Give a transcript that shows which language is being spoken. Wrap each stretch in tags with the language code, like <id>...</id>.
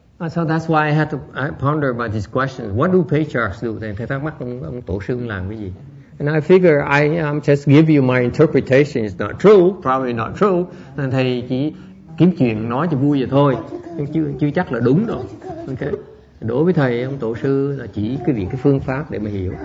<en>So that's why I had to ponder about this question. What do patriarchs do?</en> <vi>Thầy thắc mắc ông tổ sư làm cái gì?</vi> <en>And I figure I'm just give you my interpretation. It's not true. Probably not true.</en> <vi>Nên thầy chỉ kiếm chuyện nói cho vui vậy thôi. Chưa chắc là đúng đâu. Okay. Đối với thầy, ông tổ sư là chỉ cái việc cái phương pháp để mà hiểu.</vi>